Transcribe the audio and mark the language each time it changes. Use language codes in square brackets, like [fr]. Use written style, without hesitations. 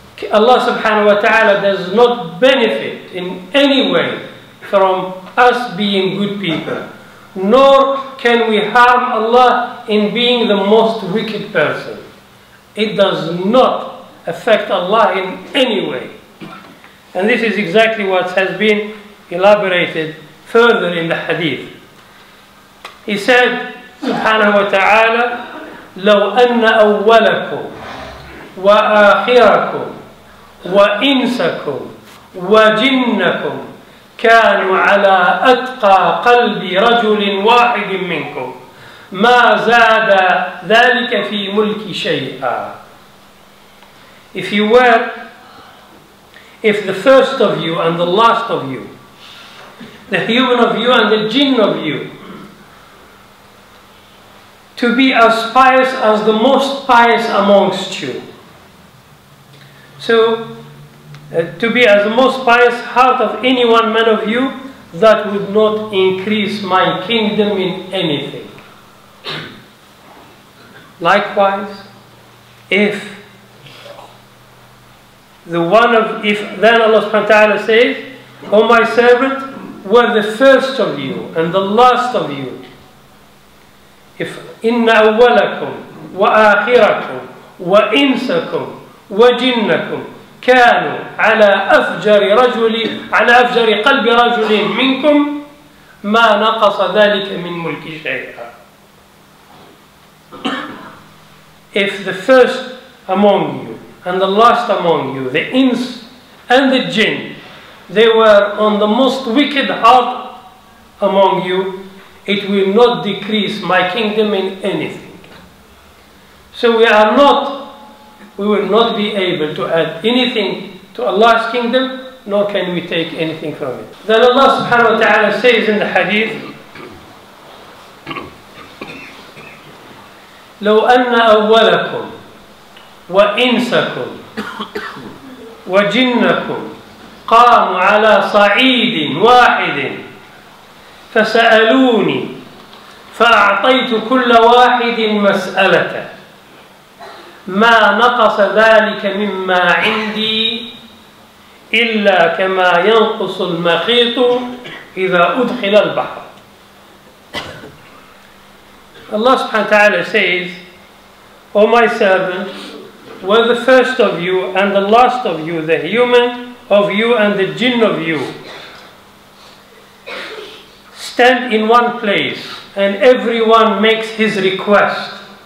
[en] Allah subhanahu wa ta'ala does not benefit in any way from us being good people, nor can we harm Allah in being the most wicked person. It does not affect Allah in any way. And this is exactly what has been elaborated further in the hadith. He said, [ar] subhanahu wa ta'ala, لو أن أولكم وآخركم وإنسكم وجنكم كانوا على أتقى قلب رجل واحد منكم ما زاد ذلك في ملك شيئا. [en] If the first of you and the last of you, the human of you and the jinn of you, to be as pious as the most pious amongst you. To be as the most pious heart of any one man of you, that would not increase my kingdom in anything. Likewise, if then Allah subhanahu wa ta'ala says, O my servant, were the first of you and the last of you. If [ar] inna awwalakum wa akhirakum wa insakum wa jinnakum كانوا على أفجر رجل على أفجر قلب رجل منكم ما نقص ذلك من ملك شيئا. [en] If the first among you and the last among you, the ins and the jinn, they were on the most wicked heart among you, it will not decrease my kingdom in anything. So we are not, we will not be able to add anything to Allah's kingdom, nor can we take anything from it. Then Allah subhanahu wa ta'ala says in the hadith, [ar] لو أن أولكم وإنسكم وجنكم قاموا على صعيد واحد فسألوني فأعطيت كل واحد مسألته ما نقص ذلك مما عندي إلا كما ينقص المخيط إذا أدخل البحر. [en] Allah subhanahu wa ta'ala says, O my servant, were the first of you and the last of you, the human of you and the jinn of you, stand in one place and everyone makes his request.